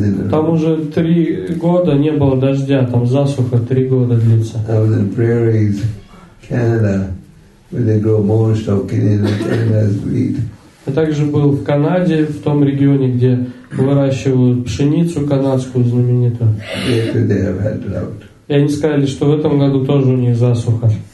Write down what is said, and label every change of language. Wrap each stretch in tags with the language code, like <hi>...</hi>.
<ru>Там уже 3 года не было дождя, там засуха 3 года длится.</ru> <en>I was in prairies, Canada, where they grow most of Canada's wheat.</en> <ru>Я также был в Канаде, в том регионе, где выращивают пшеницу канадскую знаменитую.</ru> <en>Yes, they have had drought.</en> <ru>И они сказали, что в этом году тоже у них засуха.</ru>